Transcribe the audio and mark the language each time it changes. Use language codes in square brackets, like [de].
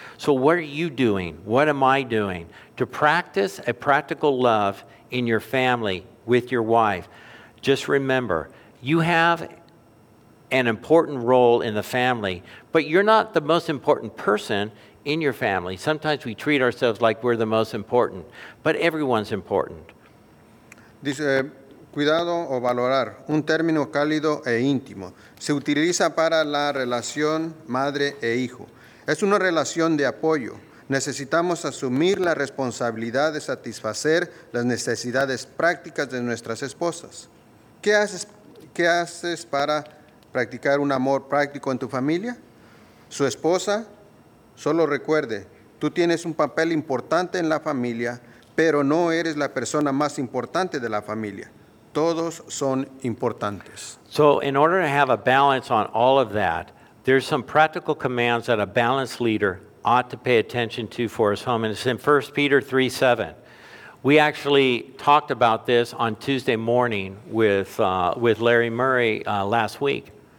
[en] So what are you doing? What am I doing to practice a practical love in your family with your wife? Just remember, you have an important role in the family, but you're not the most important person in your family. Sometimes we treat ourselves like we're the most important, but everyone's important. [es] Dice, cuidado o valorar, un término cálido e íntimo. Se utiliza para la relación madre e hijo. Es una relación de apoyo. Necesitamos asumir la responsabilidad de satisfacer las necesidades prácticas de nuestras esposas. ¿Qué haces para practicar un amor práctico en tu familia? Su esposa, solo recuerde, tú tienes un papel importante en la familia, pero no eres la persona más importante de la familia. Todos son importantes. [en] So in order to have a balance on all of that, there's some practical commands that a balanced leader ought to pay attention to for his home. And it's in 1 Peter 3:7. We actually talked about this on Tuesday morning with Larry Murray last week.